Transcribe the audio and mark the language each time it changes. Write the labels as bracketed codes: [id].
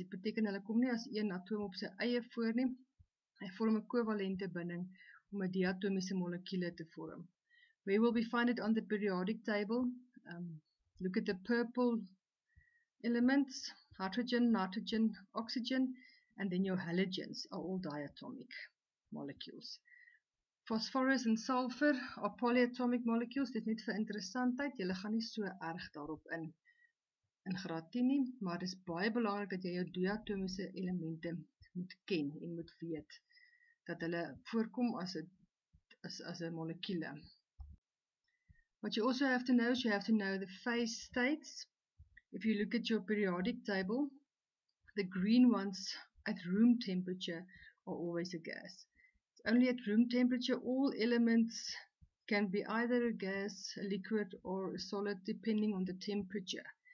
[af] Dit beteken hulle kom nie as een atoom op sy eie voor nie. Hy vorm 'n kovalente binding om 'n diatomiese molekule te vorm. [en] We will be find it on the periodic table. Look at the purple elements, hydrogen, nitrogen, oxygen, and then your halogens are all diatomic molecules. Phosphorus and sulfur are polyatomic molecules. [af] Dit is net vir interessantheid, julle gaan nie so erg daarop in graad 10 nie, maar dit is baie belangrik dat jy jou diatomiese elemente moet ken en moet weet dat hulle voorkom as 'n molekule. [en] What you also have to know is you have to know the phase states. If you look at your periodic table, the green ones at room temperature are always a gas. It's only at room temperature all elements can be either a gas, a liquid or a solid depending on the temperature.